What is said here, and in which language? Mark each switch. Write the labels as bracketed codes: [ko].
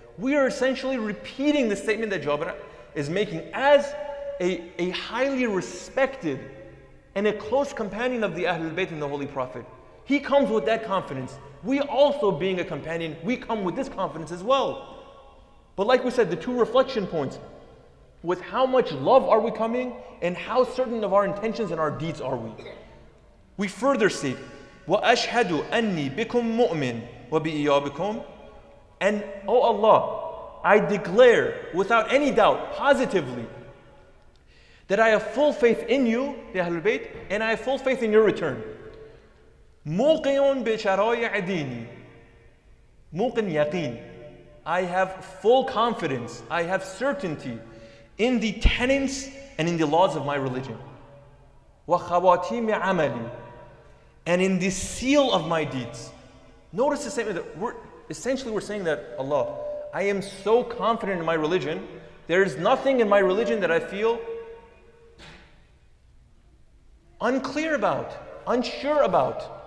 [en] We are essentially repeating the statement that Jabir is making as a highly respected and a close companion of the Ahlul Bayt and the Holy Prophet. He comes with that confidence. We also, being a companion, we come with this confidence as well. But like we said, the two reflection points, with how much love are we coming and how certain of our intentions and our deeds are we? We further state, [ar] وَأَشْهَدُ أَنِّي بِكُمْ مُؤْمِنْ وَبِإِيَابِكُمْ. [en] And, O Allah, I declare without any doubt, positively, that I have full faith in you, the Ahlul Bayt, and I have full faith in your return. [ar] مُوقِنٌ بِشَرَائِعِ دِينِي مُوقِنْ يَقِينِ. [en] I have full confidence, I have certainty in the tenets and in the laws of my religion. [ar] وَخَوَاتِيمِ عَمَلِي. [en] And in the seal of my deeds. Notice the statement that we're saying that, Allah, I am so confident in my religion, there is nothing in my religion that I feel unclear about, unsure about.